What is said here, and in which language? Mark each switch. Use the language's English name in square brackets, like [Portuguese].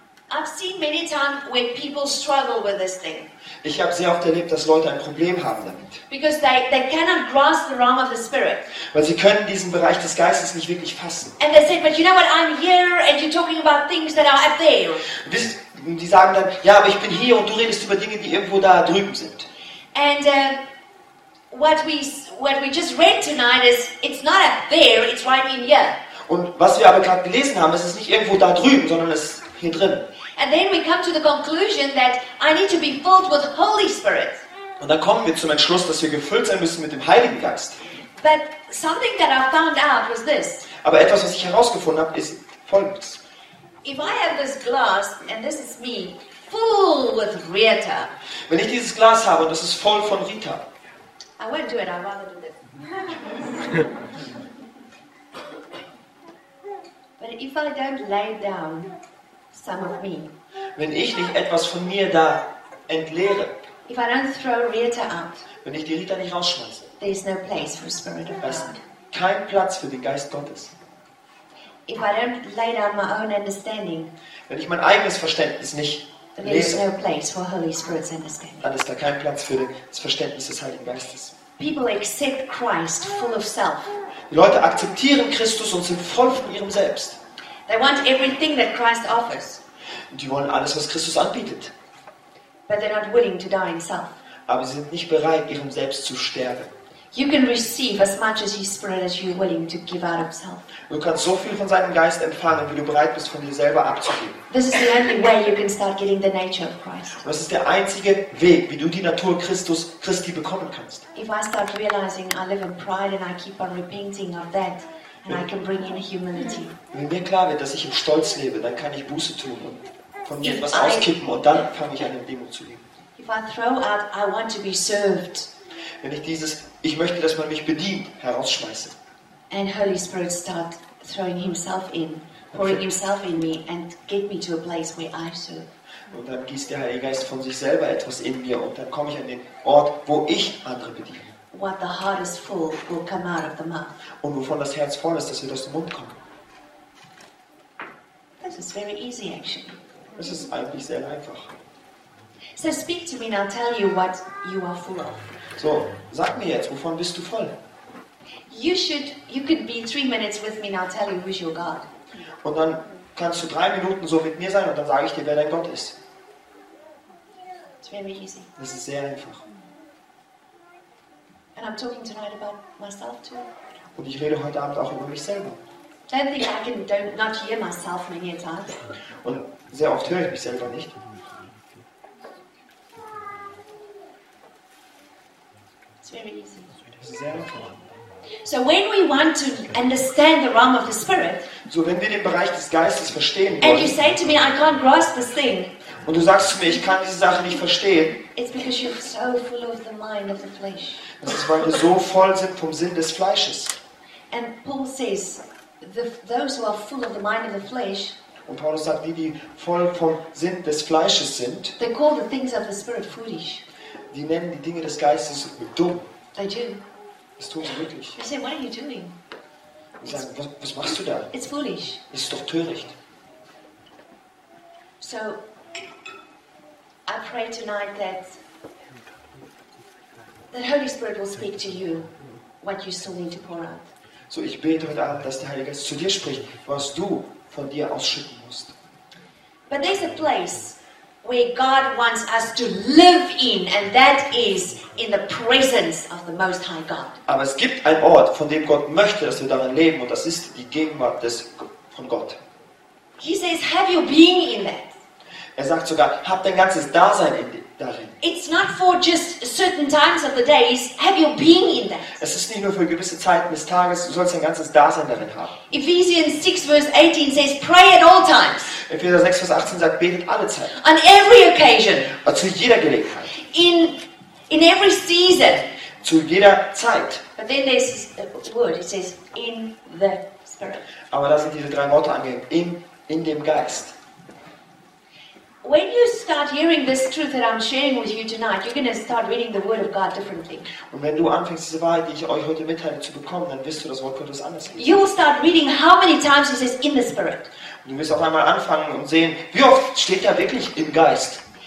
[English] I've seen many times when people struggle with this thing. [German] Ich habe sehr oft erlebt, dass Leute ein Problem haben damit. [English] Because they cannot grasp the realm of the spirit. [German] Weil sie können diesen Bereich des Geistes nicht wirklich fassen. [English] And they say, but you know what? I'm here, and you're talking about things that are up there. [German] Und die sagen dann, ja, aber ich bin hier, und du redest über Dinge, die irgendwo da drüben sind. [English] And what we just read tonight is, it's not up there, it's right in here. [German] Und was wir aber gerade gelesen haben, es ist nicht irgendwo da drüben, sondern es hier drin. [English] And then we come to the conclusion that I need to be filled with Holy Spirit. [German] Und dann kommen wir zum Entschluss, dass wir gefüllt sein müssen mit dem Heiligen Geist. [English] But something that I found out was this. [German] Aber etwas, was ich herausgefunden habe, ist folgendes. [English] If I have this glass and this is me, full with Rita. [German] Wenn ich dieses Glas habe und das ist voll von Rita. [English] I won't do it. I'd rather do this. But if I don't lay down some of me, [German] wenn ich nicht etwas von mir da entleere, [English] if I don't throw Rita out, [German] wenn ich die Rita nicht rausschmeiße, [English] there is no place for Spirit of God. [German] kein Platz für den Geist Gottes. [English] If I don't lay down my own understanding, [German] wenn ich mein eigenes Verständnis nicht lese, [English] no place for Holy Spirit's understanding. [German] Dann ist da kein Platz für das Verständnis des Heiligen Geistes. [English] People accept Christ full of self. [German] Die Leute akzeptieren Christus und sind voll von ihrem Selbst. [English] They want everything that Christ offers. [German] Die wollen alles, was Christus anbietet. [English] But they're not willing to die in self. [German] Aber sie sind nicht bereit, ihrem Selbst zu sterben. [English] You can receive as much as His Spirit as you're willing to give out of self. [German] Du kannst so viel von seinem Geist empfangen, wie du bereit bist, von dir selber abzugeben. [English] This is the only way you can start getting the nature of Christ. [German] Das ist der einzige Weg, wie du die Natur Christus Christi bekommen kannst. [English] If I start realizing I live in pride and I keep on repenting of that, and I can bring in humility. [German] Wenn mir klar wird, dass ich im Stolz lebe, dann kann ich Buße tun und von mir etwas auskippen und dann fange ich an, in Demut zu leben. [English] If I throw out, I want to be served. [German] Wenn ich dieses ich möchte, dass man mich bedient, herausschmeiße. [English] And Holy Spirit start throwing himself in, pouring himself in me and get me to a place where I serve. [German] Und dann gießt der Heilige Geist von sich selber etwas in mir und dann komme ich an den Ort, wo ich andere bediene. [English] What the heart is full will come out of the mouth. [German] Und wovon das Herz voll ist, das wird aus dem Mund kommen. [English] This is very easy actually. [German] Das ist eigentlich sehr einfach. [English] So speak to me and I'll tell you what you are full of. [German] So, sag mir jetzt, wovon bist du voll? [English] You could be 3 minutes with me and I'll tell you who's your God. [German] Und dann kannst du 3 Minuten so mit mir sein und dann sage ich dir, wer dein Gott ist. [English] It's very easy. [German] Das ist sehr einfach. [English] And I'm talking tonight about myself too. [German] Und ich rede heute Abend auch über mich selber. [English] Don't think I can not hear myself many times. [German] Und sehr oft höre ich mich selber nicht. [English] So when we want to understand the realm of the spirit, [German] so wenn wir den Bereich des Geistes verstehen, [English] and you say to me, I can't grasp this thing, [German] und du sagst zu mir, ich kann diese Sache nicht verstehen, [English] it's because you're so full of the mind of the flesh. [German] Das ist, weil wir so voll sind vom Sinn des Fleisches. [English] And Paul says, those who are full of the mind of the flesh. [German] Und Paulus sagt, die voll vom Sinn des Fleisches sind. [English] They call the things of the spirit foolish. [German] Die nennen die Dinge des Geistes dumm. [English] They do. [German] Das tun sie wirklich. [English] They say, what are you doing? [German] Die sagen, was machst du da? [English] It's foolish. [German] Das ist doch töricht. [English] So, I pray tonight that the Holy Spirit will speak to you what you still need to pour out. [German] So, ich bete heute Abend, dass der Heilige Geist zu dir spricht, was du von dir ausschütten musst. [English] But there's a place where God wants us to live in, and that is in the presence of the Most High God. [German] Aber es gibt einen Ort, von dem Gott möchte, dass wir darin leben, und das ist die Gegenwart von Gott. [English] He says, "Have your being in that." [German] Er sagt sogar, hab dein ganzes Dasein darin. [English] It's not for just certain times of the days. Have your being in that. [German] Es ist nicht nur für gewisse Zeiten des Tages. Du sollst dein ganzes Dasein darin haben. [English] Ephesians 6 verse 18 says, "Pray at all times." [German] Epheser 6 Vers 18 sagt, betet alle Zeit. [English] On every occasion. [German] Zu jeder Gelegenheit. [English] In every season. [German] Zu jeder Zeit. [English] But then there's a word. It says, in the spirit. [German] Aber da sind diese drei Worte angehängt. In dem Geist. [English] When you start hearing this truth that I'm sharing with you tonight, you're going to start reading the Word of God differently. [German] Und wenn du anfängst, diese Wahrheit, die ich euch heute mitteile, zu bekommen, dann wirst du das Wort Gottes anders lesen. [English] You will start reading how many times it says in the Spirit. [German] Und du wirst auf einmal anfangen und sehen, wie oft steht da wirklich im Geist.